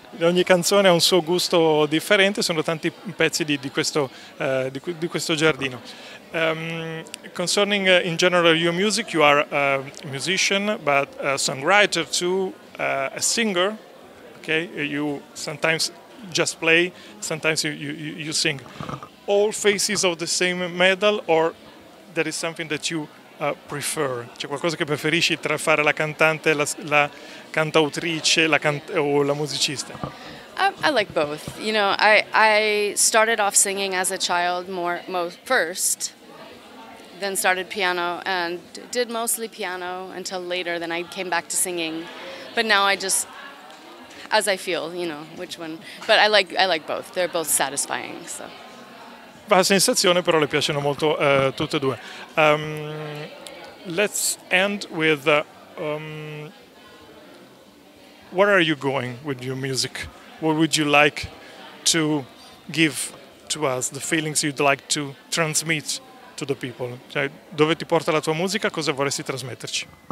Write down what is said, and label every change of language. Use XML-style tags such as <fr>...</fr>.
<it>Ogni canzone ha un suo gusto differente, sono tanti pezzi di questo giardino.</it> <en>Concerning in general your music, you are a musician, but a songwriter too, a singer, okay? You sometimes just play, sometimes you sing. All faces of the same medal, or there is something that you... prefer.</en> <it>C'è qualcosa che preferisci tra fare la cantante, la cantautrice, o la musicista?</it> <en>I like both. You know, I started off singing as a child first, then started piano and did mostly piano until later. Then I came back to singing, but now I just as I feel. You know, which one? But I like both. They're both satisfying. So.</en> <it>La sensazione, però, le piacciono molto tutte e due.</it> <en>Let's end with where are you going with your music? What would you like to give to us? The feelings you'd like to transmit to the people?</en> <it>Cioè, dove ti porta la tua musica? Cosa vorresti trasmetterci?</it>